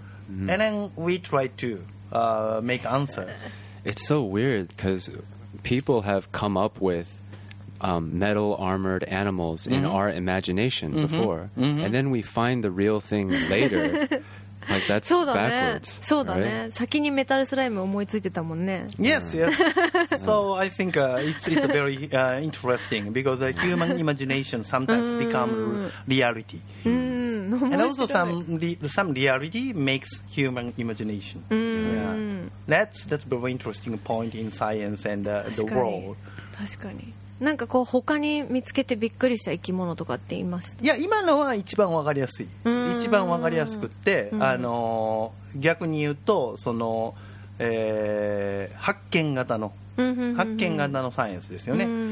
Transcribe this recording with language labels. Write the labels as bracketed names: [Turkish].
[English] And then we try to make answer. It's so weird because people have come up with metal armored animals in our imagination before, and then we find the real thing later. Like that's backwards. [Japanese] そうだね。先にメタルスライム思いついてたもんね。 [English] Yes, yes. So I think it's very interesting because the human imagination sometimes become reality. And also some reality makes human imagination. That's very interesting point in science and the world. [Japanese] 確かに。なんかこう他に見つけてびっくりした生き物とかって言いますか？いや、今のは一番わかりやすい、一番わかりやすくって、逆に言うとその、発見型の発見型のサイエンスですよね。